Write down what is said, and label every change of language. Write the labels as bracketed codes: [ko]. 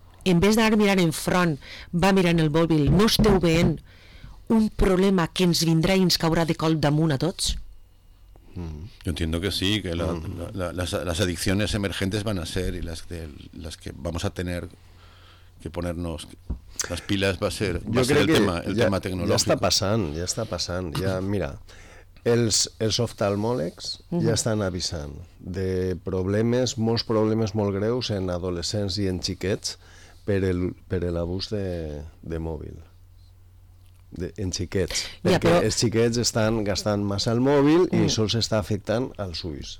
[ca] en vez d'anar mirant en front, va mirant el mòbil, no esteu veient un problema que ens vindrà i ens caurà de col damunt a tots? [es] Yo entiendo que sí, que las adicciones emergentes van a ser, y las que vamos a tener que ponernos las pilas va a ser, va a ser el tema tecnológico. Ya está pasando. [ca] Ya, mira, els oftalmòlegs ja estan avisant de problemes, molts problemes molt greus en adolescents i en xiquets per el abús de mòbil. En xiquets, perquè ja, però... els xiquets estan gastant massa el mòbil i sols està afectant als ulls.